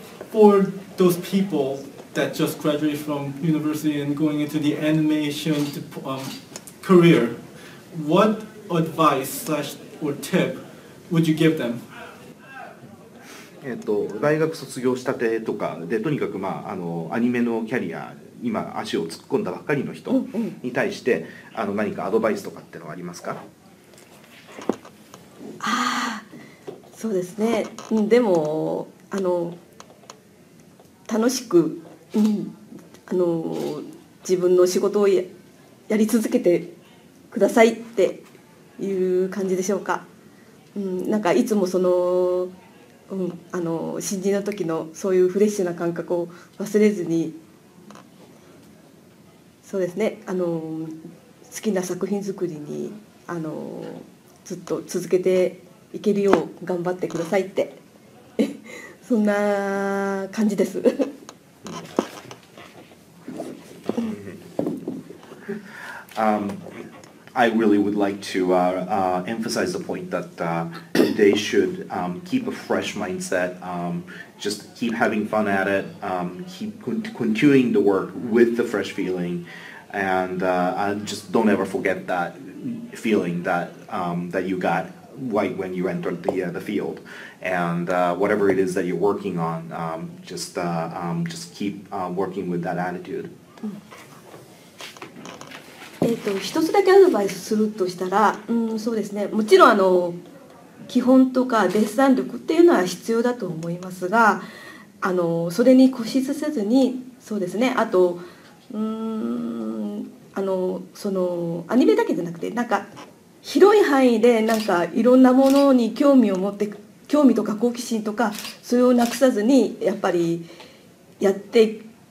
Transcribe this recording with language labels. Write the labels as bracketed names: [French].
[English] For those people that just graduated from university and going into the animation career, what advice slash or tip would you give them? [Japanese] 大学卒業したてとかで、とにかく、まあ、あのアニメのキャリア今足を突っ込んだばっかりの人に対して、あの何かアドバイスとかってのはありますか？ああ、そうですね。でもあの楽しく、あの自分の仕事を やり続けてくださいっていう感じでしょうか。なんかいつもその、あの新人の時のそういうフレッシュな感覚を忘れずに、そうですね、あの好きな作品作りにあのずっと続けていけるよう頑張ってくださいって、そんな感じです。 [English] I really would like to emphasize the point that they should keep a fresh mindset, just keep having fun at it, keep continuing the work with the fresh feeling, and just don't ever forget that feeling that, that you got right when you entered the field. And whatever it is that you're working on, just keep working with that attitude. Mm. [Japanese] 一つだけアドバイスするとしたら、そうですね、もちろんあの基本とかデッサン力っていうのは必要だと思いますが、あのそれに固執せずに、そうですね、あとあのそのアニメだけじゃなくて、なんか広い範囲でなんかいろんなものに興味を持って、興味とか好奇心とかそれをなくさずにやっぱりやって、